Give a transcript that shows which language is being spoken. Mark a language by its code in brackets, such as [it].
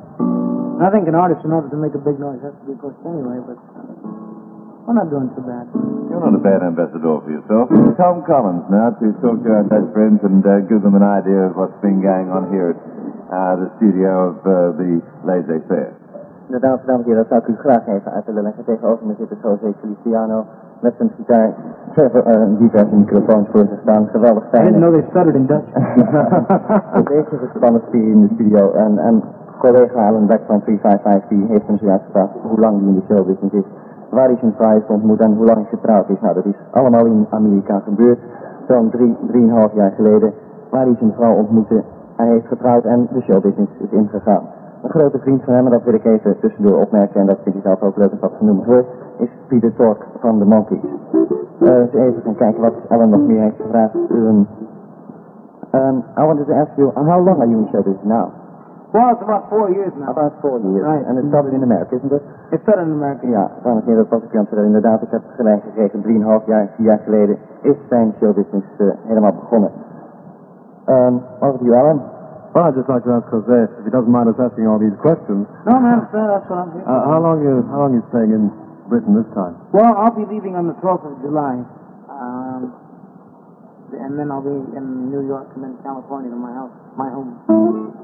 [en] And I think an artist, in order to make a big noise, has to be pushed anyway, but we're not doing too bad. You're not a bad ambassador for yourself. Tom Collins, now, to talk to our best friends and give them an idea of what's been going on here at the studio of the Laissez-Faire. [nl] De dames en heren, dat zou ik u graag even uit willen leggen. Tegenover me zitten José Feliciano met zijn gitaar. Trevor, diverse microfoons voor zich staan. Geweldig fijn. [en] I didn't know they stuttered in Dutch. [nl] Deze gespannen sfeer in de studio. En collega Alan Beck van 355, die heeft hem zojuist gevraagd hoe lang hij in de showbusiness is. Waar hij zijn vrouw ontmoet en hoe lang hij getrouwd is. Nou, dat is allemaal in Amerika gebeurd. Zo'n 3,5 jaar geleden. Waar hij zijn vrouw ontmoette. Hij heeft getrouwd en de showbusiness is ingegaan. Een grote vriend van hem, en dat wil ik even tussendoor opmerken, en dat vind ik zelf ook leuk dat genoemd wordt, is Peter Tork van de Monkees. Dus even gaan kijken wat Alan nog meer heeft gevraagd. [en] I wanted to ask you, how long are you in show business now? Well, it's about 4 years now. About 4 years. Right. And it started in America, isn't it? It started in America. [nl] Ja, dames en heren, dat was ik aan het zeggen. Inderdaad, ik heb gelijk gekregen, 3,5 jaar, 4 jaar geleden, is zijn show business helemaal begonnen. [en] Over to you, Alan. Well, I'd just like to ask Jose, if he doesn't mind us asking all these questions. No, man, that's what I'm here for. How long are you staying in Britain this time? Well, I'll be leaving on the 12th of July. And then I'll be in New York and then California to my home.